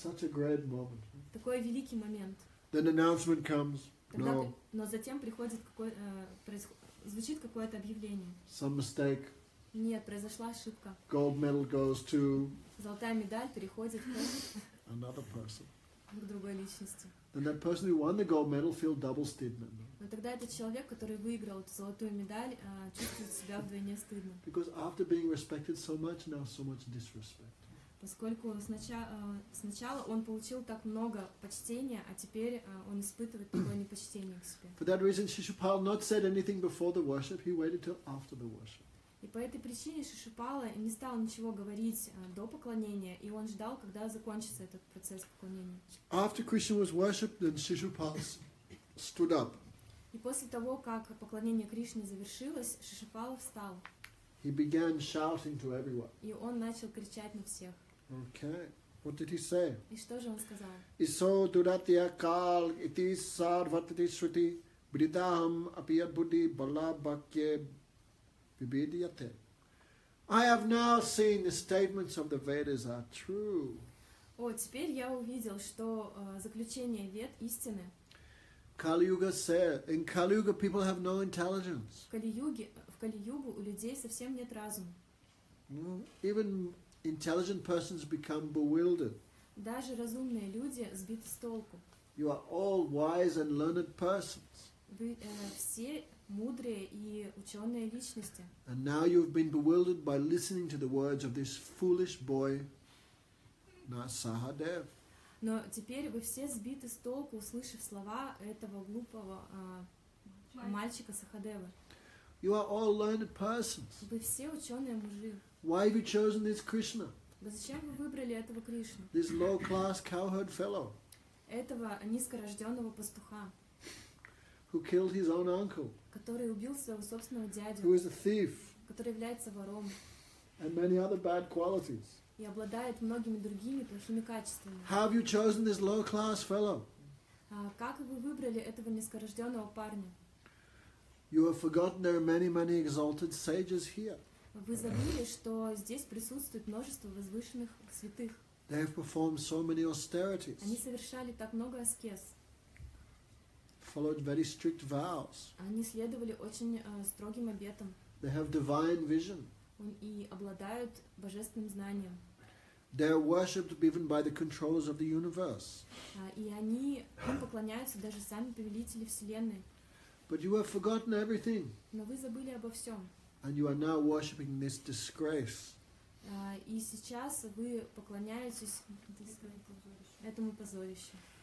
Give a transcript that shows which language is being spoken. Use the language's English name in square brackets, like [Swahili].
[English] Such a great moment. [Russian] Такой великий момент. [English] Then announcement comes. No. [Russian] Но затем приходит звучит какое-то объявление. [English] Some mistake. [Russian] Нет, произошла ошибка. [English] Gold medal goes to. [Russian] Золотая медаль переходит к. [English] Another person. [Russian] К другой личности. [English] Then that person who won the gold medal feels double stidna. [Russian] Но тогда этот человек, который выиграл эту золотую медаль, чувствует себя вдвойне стыдно. [English] Because after being respected so much, now so much disrespect. [Russian] Поскольку сначала он получил так много почтения, а теперь он испытывает такое непочтение к себе. [English] For that reason, Shishupala not said anything before the worship. He waited till after the worship. [Russian] И по этой причине Шишупала не стал ничего говорить до поклонения, и он ждал, когда закончится этот процесс поклонения. [English] After Krishna was worshipped, then Shishupala stood up. [Russian] И после того, как поклонение Кришне завершилось, Шишупала встал. [English] He began shouting to everyone. [Russian] И он начал кричать на всех. [English] Okay. What did he say? [Russian] И что же он сказал? Исо дуратья кал ити сарватти шрути бридахам апият будди бала бакье. [English] I have now seen the statements of the Vedas are true. [Russian] О, теперь я увидел, что заключение Вед истины. [English] Kali-yuga said, in Kali-yuga people have no intelligence. [Russian] В Кали-югу у людей совсем нет разума. [English] Even intelligent persons become bewildered. [Russian] Даже разумные люди сбиты с толку. [English] You are all wise and learned persons. [Russian] Вы все мудрые и ученые личности. [English] And now you've been bewildered by listening to the words of this foolish boy, Sahadeva. [Russian] Но теперь вы все сбиты с толку, услышав слова этого глупого мальчика Сахадевы. [English] You are all learned persons. [Russian] Вы все ученые мужи. [English] Why have you chosen this Krishna? [Russian] Зачем вы выбрали этого Кришну? [English] This low-class cowherd fellow. [Russian] Этого низкорожденного пастуха. [English] Who killed his own uncle? [Russian] Который убил своего собственного дядю. [English] Who is a thief? [Russian] Который является вором. [English] And many other bad qualities. [Russian] И обладает многими другими плохими качествами. [English] How have you chosen this low-class fellow? [Russian] Как вы выбрали этого низкорожденного парня? [English] You have forgotten there are many, many exalted sages here. [Russian] Вы забыли, что здесь присутствует множество возвышенных святых. [English] They have performed so many austerities. [Russian] Они совершали так много аскез. [English] Followed very strict vows. [Russian] Они следовали очень строгим обетам. [English] They have divine vision. [Russian] И обладают божественным знанием. [English] They are worshipped even by the controllers of the universe. [Russian] И они им поклоняются даже сами повелители вселенной. [English] But you have forgotten everything. [Russian] Но вы забыли обо всем. [English] And you are now worshipping this disgrace. [Russian] И сейчас вы поклоняетесь этому позорищу.